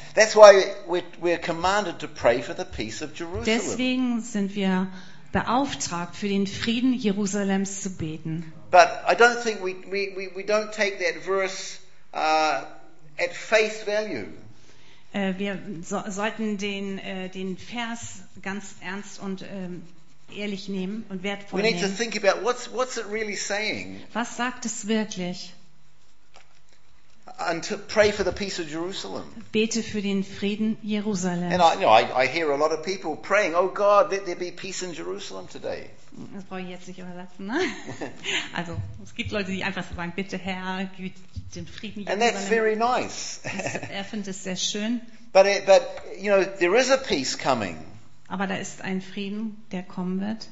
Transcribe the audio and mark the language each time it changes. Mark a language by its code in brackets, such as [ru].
[en] That's why we're commanded to pray for the peace of Jerusalem. [de] Deswegen sind wir beauftragt, für den Frieden Jerusalems zu beten. [en] But I don't think we don't take that verse at face value. [de] Wir sollten den Vers ganz ernst und ehrlich nehmen und wertvoll nehmen. [en] We need to think about what's it really saying. [de] Was sagt es wirklich? [en] And to pray for the peace of Jerusalem. [de] Bete für den Frieden Jerusalems. [en] And I hear a lot of people praying, oh God, let there be peace in Jerusalem today. [de] Das brauche ich jetzt nicht übersetzen, ne? Also, es gibt Leute, die einfach sagen, bitte Herr, gib den Frieden Jerusalem. [en] And that's very nice. [de] Er findet es sehr schön. [en] But you know, there is a peace coming. [de] Aber da ist ein Frieden, der kommen wird.